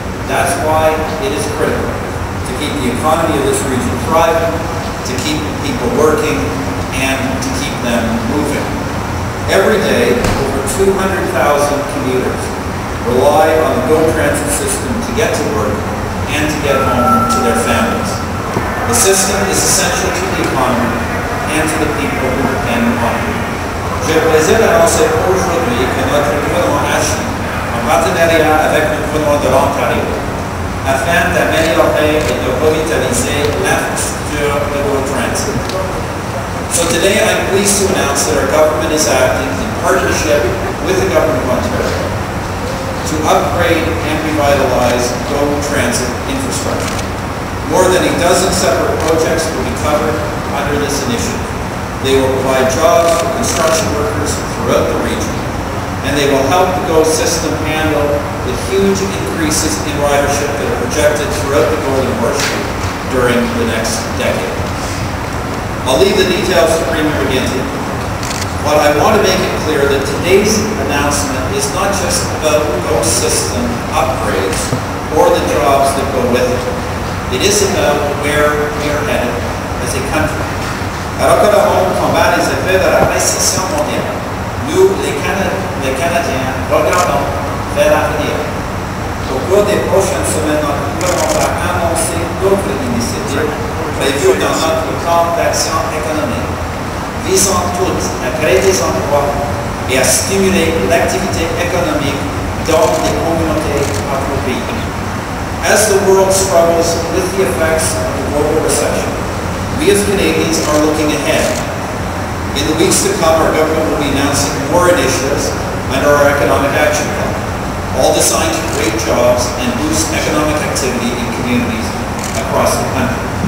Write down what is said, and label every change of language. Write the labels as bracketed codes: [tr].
[en] That's why it is critical to keep the economy of this region thriving, to keep people working, and to keep them moving. Every day, over 200,000 commuters rely on the GO Transit system to get to work and to get home to their families. The system is essential to the economy and to the people who depend on it. [fr] Je plaisir d'annoncer aujourd'hui que notre gouvernement agit en partenariat avec le gouvernement de l'Ontario afin d'améliorer et de revitaliser l'infrastructure de GO Transit. [en] So today I'm pleased to announce that our government is acting in partnership with the government of Ontario to upgrade and revitalize GO Transit infrastructure. More than a dozen separate projects will be covered under this initiative. They will provide jobs for construction workers throughout the region, and they will help the GO system handle the huge increases in ridership that are projected throughout the Golden Horseshoe during the next decade. I'll leave the details to Premier McGinty, but I want to make it clear that today's announcement is not just about the GO system upgrades or the jobs that go with it. It is about where we are headed as a country. [fr] Alors que le monde combat les effets de la récession mondiale, nous, les Canadiens, regardons vers l'avenir. Au cours des prochaines semaines, notre gouvernement va annoncer d'autres initiatives prévues dans notre plan d'action économique, visant toutes à créer des emplois et à stimuler l'activité économique dans les communautés appropriées. [en] As the world struggles with the effects of the global recession, we as Canadians are looking ahead. In the weeks to come, our government will be announcing more initiatives under our Economic Action Plan, all designed to create jobs and boost economic activity in communities across the country.